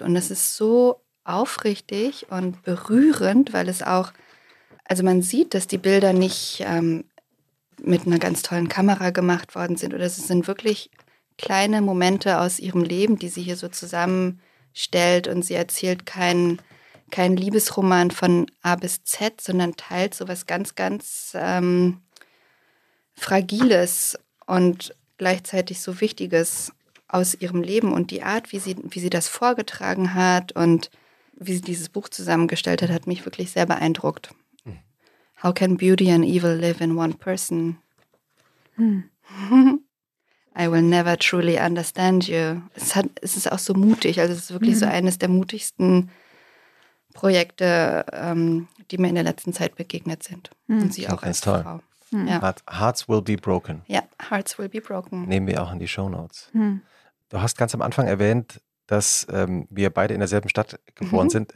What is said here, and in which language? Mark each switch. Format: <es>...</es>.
<de>Und es ist so aufrichtig und berührend, weil es auch, also man sieht, dass die Bilder nicht mit einer ganz tollen Kamera gemacht worden sind oder es sind wirklich kleine Momente aus ihrem Leben, die sie hier so zusammenstellt und sie erzählt kein Liebesroman von A bis Z, sondern teilt so was ganz, ganz Fragiles und gleichzeitig so Wichtiges aus ihrem Leben und die Art, wie sie das vorgetragen hat und wie sie dieses Buch zusammengestellt hat, hat mich wirklich sehr beeindruckt.</de> <en>How can beauty and evil live in one person? I will never truly understand you.</en> <de>Es ist auch so mutig, also es ist wirklich so eines der mutigsten Projekte, die mir in der letzten Zeit begegnet sind. Und sie auch als Frau. Toll. Ja. Hearts Will Be Broken. Ja, Hearts Will Be Broken. Nehmen wir auch in die Shownotes. Hm. Du hast ganz am Anfang erwähnt, dass wir beide in derselben Stadt geboren sind.</de>